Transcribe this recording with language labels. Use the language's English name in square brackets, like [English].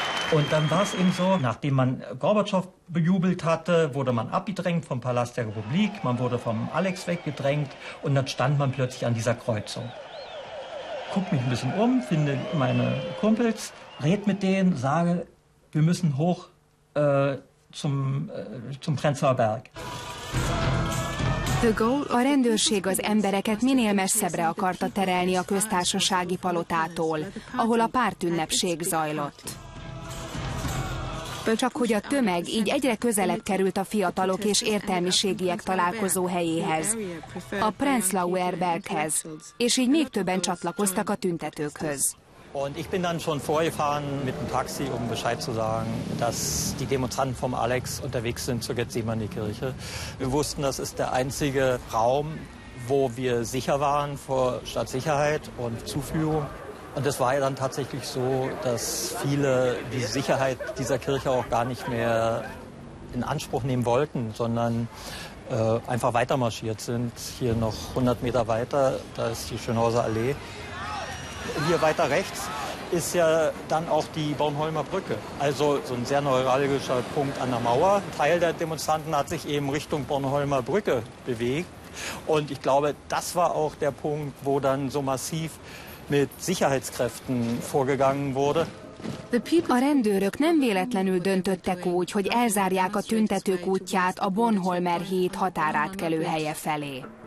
[German] Und dann war es eben so, nachdem man Gorbatschow bejubelt hatte, wurde man abgedrängt vom Palast der Republik, man wurde vom Alex weggedrängt und dann stand man plötzlich an dieser Kreuzung. Guck mich ein bisschen um, finde meine Kumpels, red mit denen, sage, wir müssen hoch zum Prenzlauer Berg. [Hungarian] De Gaulle a rendőrség az embereket minél messzebbre akarta terelni a köztársasági palotától, ahol a pártünnepség zajlott. Csak hogy a tömeg így egyre közelebb került a fiatalok és értelmiségiek találkozó helyéhez, a Prenzlauer Berghez, és így még többen csatlakoztak a tüntetőkhöz. [German] Und ich bin dann schon vorgefahren mit dem Taxi, um Bescheid zu sagen, dass die Demonstranten vom Alex unterwegs sind zur Gethsemane-Kirche. Wir wussten, das ist der einzige Raum, wo wir sicher waren vor Staatssicherheit und Zuführung. Und es war ja dann tatsächlich so, dass viele die Sicherheit dieser Kirche auch gar nicht mehr in Anspruch nehmen wollten, sondern einfach weitermarschiert sind. Hier noch 100 Meter weiter, da ist die Schönhauser Allee. Hier weiter rechts ist ja dann auch die Bornholmer Brücke. Also so ein sehr neuralgischer Punkt an der Mauer. Ein Teil der Demonstranten hat sich eben Richtung Bornholmer Brücke bewegt. Und ich glaube, das war auch der Punkt, wo dann so massiv mit Sicherheitskräften vorgegangen wurde. [Hungarian] A rendőrök nem véletlenül döntöttek úgy, hogy elzárják a tüntetők útját a Bornholmer híd határátkelő helye felé.